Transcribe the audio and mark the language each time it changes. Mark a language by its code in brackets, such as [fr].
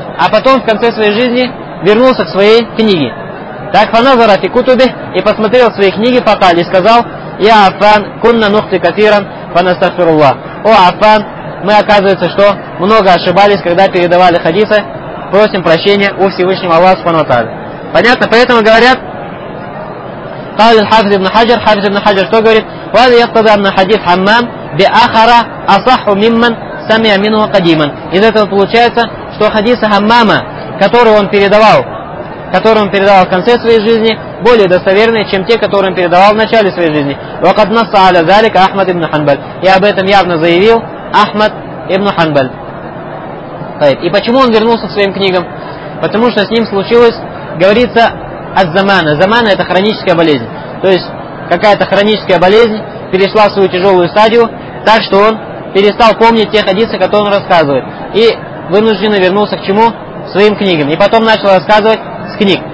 [ru] А потом в конце своей жизни вернулся к своей книге. Так [ar] фаназара фи кутуби [ru] и посмотрел свои книги фаталь и сказал, [ar] я Аффан, кунна нухти катиран, фанастахфируллах. [ru] О, Аффан, мы, оказывается, что много ошибались, когда передавали хадисы. Просим прощения у Всевышнего Аллаха субхана ва тааля. Понятно? Поэтому говорят, [ar] قال الحافظ ابن حجر حافظ ابن حجر [ru] что говорит [ar] وهذا يقتضي أن حديث حمام بآخر أصح ممن سمع منه قديما. [ru] Из этого получается, что хадисы Хаммама, который он передавал в конце своей жизни, более достоверные, чем те, которые он передавал в начале своей жизни. [ar] وقد نص على ذلك أحمد ابن حنبل. [ru] И об этом явно заявил Ахмад ибн Ханбаль. Так, и почему он вернулся к своим книгам? Потому что с ним случилось, говорится, Аз-замана. Замана – это хроническая болезнь. То есть, какая-то хроническая болезнь перешла в свою тяжелую стадию, так что он перестал помнить те хадисы, которые он рассказывает. И вынужденно вернулся к чему? К своим книгам. И потом начал рассказывать с книг.